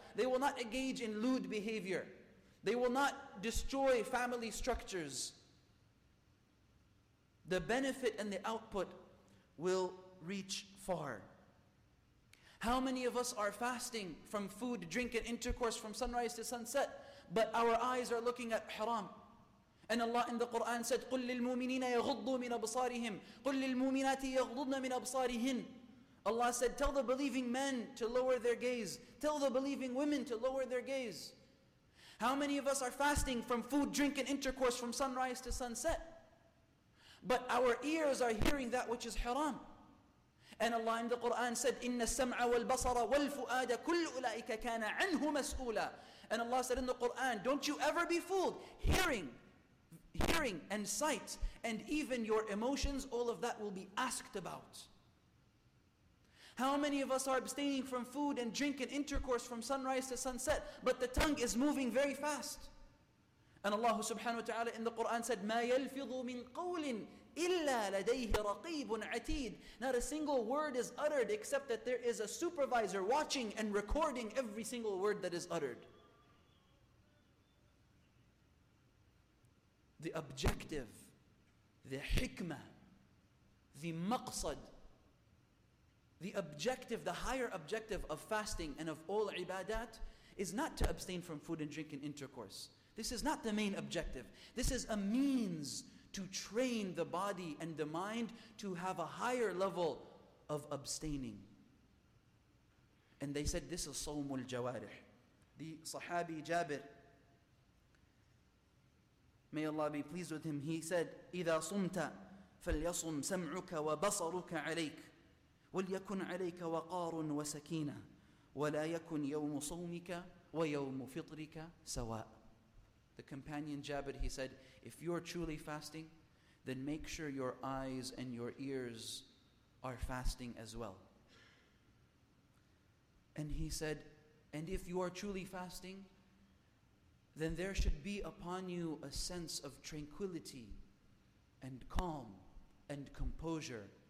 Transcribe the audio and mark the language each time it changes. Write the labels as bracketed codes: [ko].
[en] They will not engage in lewd behavior. They will not destroy family structures. The benefit and the output will reach far. How many of us are fasting from food, drink, and intercourse from sunrise to sunset, but our eyes are looking at haram? And Allah in the Quran said, [ar] قُلْ لِلْمُؤْمِنِينَ يَغُضُّوا مِنْ أَبْصَارِهِمْ قُلْ لِلْمُؤْمِنَاتِ يَغْضُضْنَ مِنْ أَبْصَارِهِنْ. [en] Allah said, tell the believing men to lower their gaze. Tell the believing women to lower their gaze. How many of us are fasting from food, drink, and intercourse from sunrise to sunset? But our ears are hearing that which is haram. And Allah in the Quran said, [ar] إِنَّ السَّمْعَ وَالْبَصَرَ وَالْفُؤَادَ كُلُّ أُولَٰئِكَ كَانَ عَنْهُ مَسْئُولًا. [en] And Allah said in the Quran, don't you ever be fooled. Hearing and sight and even your emotions, all of that will be asked about. How many of us are abstaining from food and drink and intercourse from sunrise to sunset, but the tongue is moving very fast? And Allah subhanahu wa ta'ala in the Quran said, [ar] مَا يَلْفِظُ مِنْ قَوْلٍ إِلَّا لَدَيْهِ رَقِيبٌ عَتِيدٌ. [en] Not a single word is uttered except that there is a supervisor watching and recording every single word that is uttered. The objective, the hikmah, the maqsad, the objective, the higher objective of fasting and of all ibadat is not to abstain from food and drink and intercourse. This is not the main objective. This is a means to train the body and the mind to have a higher level of abstaining. And they said this is sawmul jawarih. The Sahabi Jabir, may Allah be pleased with him, he said, [ar] إِذَا صُمْتَ فَلْيَصُمْ سَمْعُكَ وَبَصَرُكَ عَلَيْكَ وَلْيَكُنْ عَلَيْكَ وَقَارٌ وَسَكِينَ وَلَا يَكُنْ يَوْمُ صَوْمِكَ وَيَوْمُ فِطْرِكَ سَوَاءَ. [en] The companion Jabir, he said, if you're truly fasting, then make sure your eyes and your ears are fasting as well. And he said, and if you are truly fasting, then there should be upon you a sense of tranquility and calm and composure.